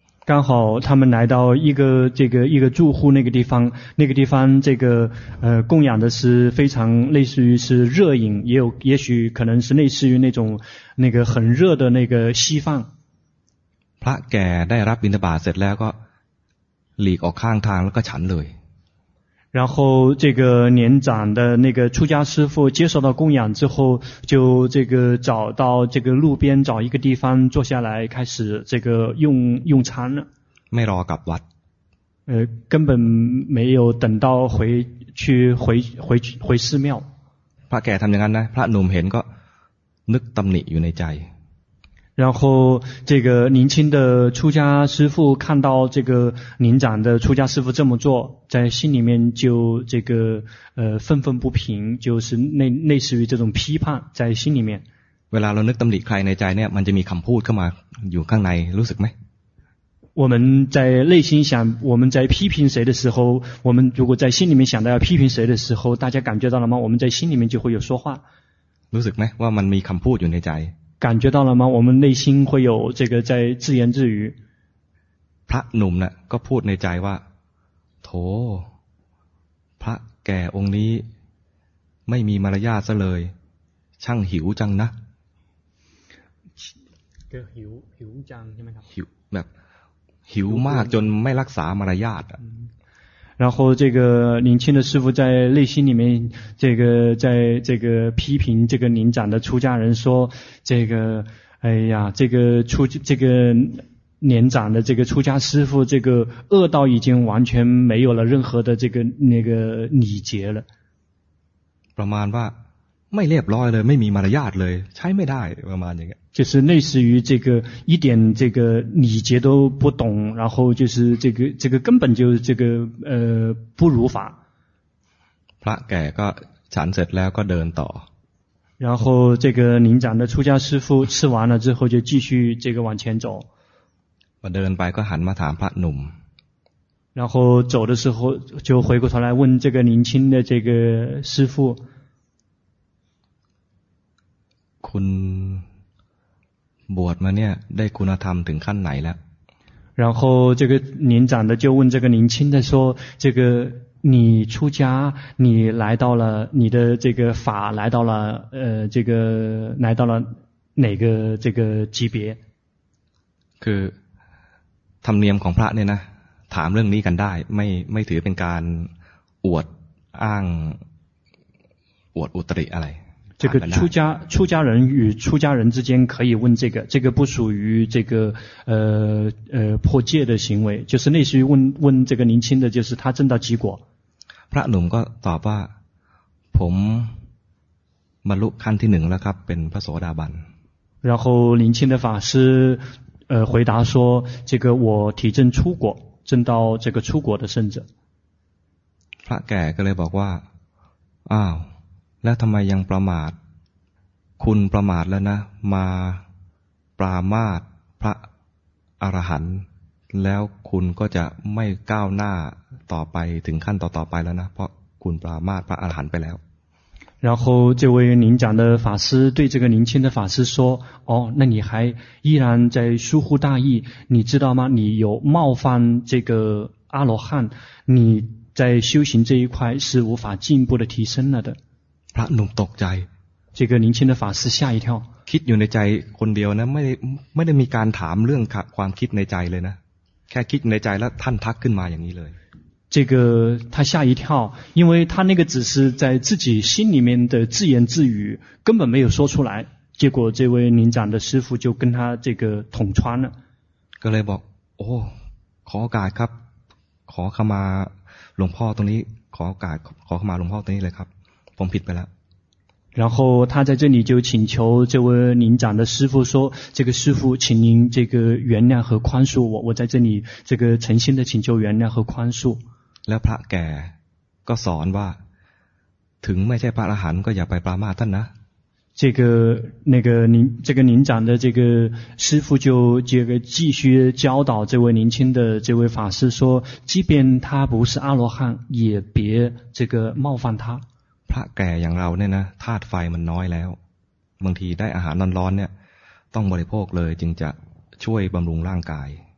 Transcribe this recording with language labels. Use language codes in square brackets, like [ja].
[zh] 刚好他们来到一个住户那个地方这个供养的是非常类似于是热饮也有也许可能是类似于那种那个很热的那个稀饭 [th] พระแก่ได้รับบิณฑบาตเสร็จแล้วก็หลีกออกข้างทางแล้วก็ฉันเลย [zh] 然后这个年长的那个出家师父接受到供养之后就这个找到这个路边找一个地方坐下来开始这个用餐了 [th] ไม่รอกลับวัด [zh] 根本没有等到回寺庙 [th] พระแก่ทำอย่างนั้นนะพระหนุ่มเห็นก็นึกตำหนิอยู่ในใจ [zh] 然后这个年轻的出家师父看到这个年长的出家师父这么做在心里面就这个愤愤不平就是类似于这种批判在心里面 [th] เวลาเรานึกตำหนิใครในใจเนี่ยมันจะมีคำพูดเข้ามาอยู่ข้างในรู้สึกไหม [zh] 我们在内心想我们在批评谁的时候，我们如果在心里面想到要批评谁的时候，大家感觉到了吗？我们在心里面就会有说话。 [th] รู้สึกไหมว่ามันมีคำพูดอยู่ในใจ？ [zh] 感觉到了吗？我们内心会有这个在自言自语。 [th] พระหนุ่มน่ะก็พูดในใจว่าโถพระแก่องค์นี้ไม่มีมารยาทซะเลยช่างหิวจังนะ ก็หิวจังใช่ไหมครับ หิวแบบหิวมากจนไม่รักษามารยาท [zh] 然后这个年轻的师父在内心里面这个在这个批评这个年长的出家人说这个哎呀这个出这个年长的这个出家师父这个恶道已经完全没有了任何的这个那个礼节了 [th] ประมาณว่าไม่เรียบร้อยเลยไม่มีมารยาทเลยใช้ไม่ได้ประมาณอย่างเงี้ [zh] ย就是类似于这个一点这个礼节都不懂然后就是这个这个根本就这个不如法 [th] พระแก่ก็ฉันเสร็จแล้วก็เดินต่อ [zh] 然后这个年长的出家师父吃完了之后就继续这个往前走 [th] มาเดินไปก็หันมาถามพระหนุ่ม [zh] 然后走的时候就回过头来问这个年轻的这个师父 [th] คุณบวชมาเนี่ยได้คุณธรรมถึงขั้นไหนแล้ว [zh] 然后这个年长的就问这个年轻的说这个你出家你来到了你的这个法来到了这个来到了哪个这个级别 [th] คือธรรมเนียมของพระเนี่ยนะถามเรื่องนี้กันได้ไม่ถือเป็นการอวดอ้างอวดอุตริอะไร [zh] 这个出家人与出家人之间可以问这个不属于这个破戒的行为就是类似于问这个年轻的就是他证到几果 [th] พระหนุ่มก็ตอบว่าผมบรรลุขั้นที่หนึ่งแล้วครับเป็นพระโสดาบัน [zh] 然后年轻的法师回答说这个我体证出果证到这个出果的圣者 [th] พระแก่ก็เลยบอกว่าอ้าวแล้วทำไมยังประมาทคุณประมาทแล้วนะมาปรามาสพระอรหันต์แล้วคุณก็จะไม่ก้าวหน้าต่อไปถึงขั้นต่อๆไปแล้วนะเพราะคุณปรามาสพระอรหันต์ไปแล้ว [zh] 然后这位年长的法师对这个年轻的法师说哦那你还依然在疏忽大意你知道吗你有冒犯这个阿罗汉你在修行这一块是无法进一步的提升了的 [th] พระหนุ่มตกใจ [zh] 这个年轻的法师吓一跳 [th] คิดอยู่ในใจคนเดียวนะไม่ได้มีการถามเรื่องความคิดในใจเลยนะแค่คิดในใจแล้วท่านทักขึ้นมาอย่างนี้เลย [zh] 这个他吓一跳因为他那个只是在自己心里面的自言自语根本没有说出来结果这位年长的师父就跟他这个捅穿了 [th] ก็เลยบอกโอ้ขอโอกาสครับขอเข้ามาหลวงพ่อตรงนี้ขอโอกาสขอเข้ามาหลวงพ่อตรงนี้เลยครับผมผิดไปแล้ว [zh] 然后他在这里就请求这位年长的师父说这个师父请您这个原谅和宽恕我在这里这个诚心的请求原谅和宽恕 [th] แล้วพระแก่ก็สอนว่าถึงไม่ใช่พระอรหันต์ก็อย่าไปปรามาสท่านนะ [zh] 这个那个您这个您长的这个师父就这个继续教导这位年轻的这位法师说即便他不是阿罗汉也别这个冒犯他 [th] พระแก่อย่างเราเนี่ยนะธาตุไฟมันน้อยแล้วบางทีได้อาหารร้อนๆเนี่ยต้องบริโภคเลยจึงจะช่วยบำรุงร่างกาย